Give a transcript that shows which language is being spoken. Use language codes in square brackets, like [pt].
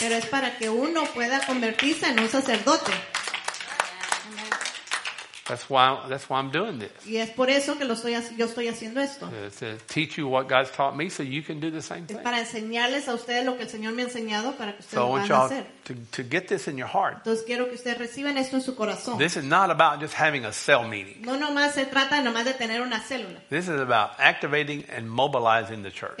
[es] Pero es para que uno pueda convertirse en un sacerdote. [en] That's why I'm doing this. [es] Y es por eso que yo estoy haciendo esto. [en] To teach you what God's taught me so you can do the same thing. [es] Es para enseñarles a ustedes lo que el Señor me ha enseñado para que ustedes [en] so [es] lo puedan [en] I want [es] hacer. [en] To get this in your heart. [es] Entonces quiero que ustedes reciban esto en su corazón. [en] This is not about just having a cell meeting. [es] No nomás se trata nomás de tener una célula. [en] This is about activating and mobilizing the church.